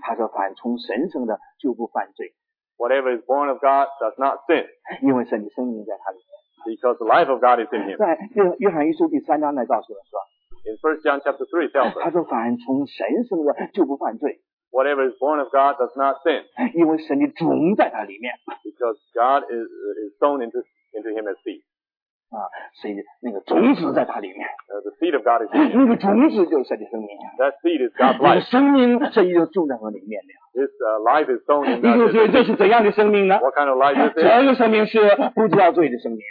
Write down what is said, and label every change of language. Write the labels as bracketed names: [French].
[Chinese] 他说凡从神生的就不犯罪。 [English] Whatever is born of God does not sin. [Chinese] 因为神的生命在他里面。 [English] Because the life of God is in him. [Chinese] 在约翰一书第三章来告诉我们说。 [English] In 1 John chapter 3 tells us. [Chinese] 他说凡从神生的就不犯罪。 [English] Whatever is born of God does not sin. [Chinese] 因为神的种在他里面。 [English] Because God is sown into him as seed. [Chinese] 啊，所以那个种子在他里面。 [English] The seed of God is in him. [Chinese] 那个种子就是神的生命。 [English] That seed is God's life. [Chinese] 那个生命这就种在他里面了。 [English] This life is sown in God. [Chinese] 这是怎样的生命呢？ [English] What kind of life is it? [Chinese] 这个生命是不知道罪的生命。